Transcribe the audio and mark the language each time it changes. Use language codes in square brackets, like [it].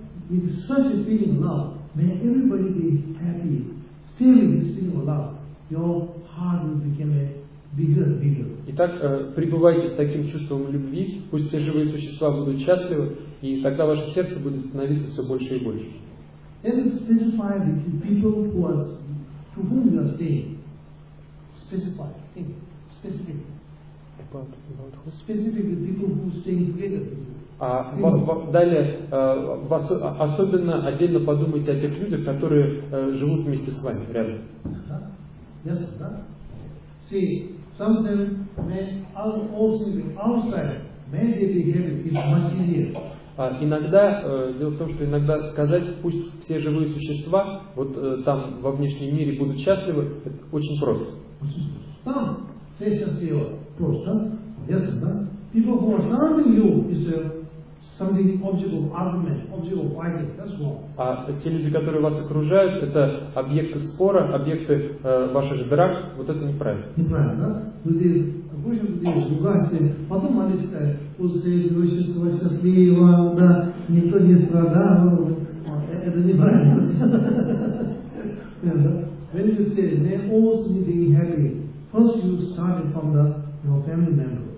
[en] With such a feeling of love, may everybody be happy. Still with this feeling of love, your heart will become a bigger, bigger. [ru] Итак, пребывайте с таким чувством любви, пусть все живые существа будут счастливы, и тогда ваше сердце будет становиться все больше и больше. [en] Then specify the people who are to whom you are staying. Specify, think, specific. About who? Specific the people who are staying together. [ru] Далее, особенно отдельно подумайте о тех людях, которые живут вместе с вами рядом. [en] Yes, right. See, sometimes when all sitting outside, maybe they have it is much easier. [ru] Иногда сказать, пусть все живые существа вот там во внешнем мире будут счастливы, это очень просто. Там все счастливы, просто, ясно, да? [en] People who are surrounding you is Somebody object of argument, object of fighting, that's wrong. [ru] А те люди, которые вас окружают, это объекты спора, объекты ваших же драк, вот это неправильно. Неправильно, да?